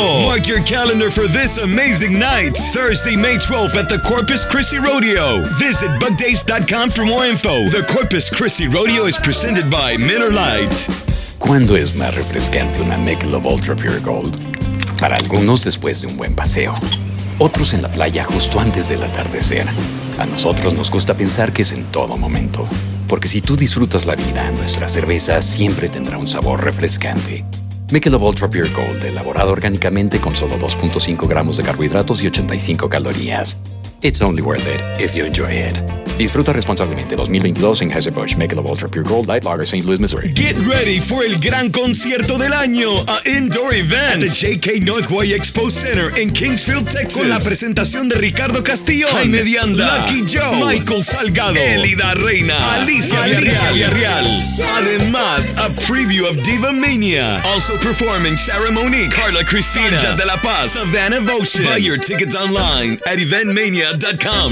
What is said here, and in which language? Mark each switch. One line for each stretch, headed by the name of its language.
English: Mark your calendar for this amazing night, Thursday, May 12th at the Corpus Christi Rodeo. Visit bugdays.com for more info. The Corpus Christi Rodeo is presented by Miller Lite.
Spanish: ¿Cuándo es más refrescante una Michelob Ultra Pure Gold? Para algunos después de un buen paseo. Otros en la playa justo antes del atardecer. A nosotros nos gusta pensar que es en todo momento. Porque si tú disfrutas la vida, nuestra cerveza siempre tendrá un sabor refrescante. Michelob Ultra Pure Gold, elaborado orgánicamente con solo 2.5 gramos de carbohidratos y 85 calorías.
English: It's only worth it if you enjoy it.
Spanish: Disfruta responsablemente 2022 en Anheuser-Busch Michelob Ultra Pure Gold Light Lager, St. Louis, Missouri.
English: Get ready for
Spanish: el gran concierto del año,
English: a indoor event at the J.K.
Spanish: Northway Expo Center in Kingsfield, Texas. Con la presentación de Ricardo Castillo, Jaime Dianda, Lucky Joe, Michael Salgado, Elida Reina, Alicia Villarreal.
English: Además, a preview of Diva Mania. Also performing Sarah Monique, Carla Cristina, Sanja de la Paz, Savannah Voshin. Buy your tickets online at eventmania.com.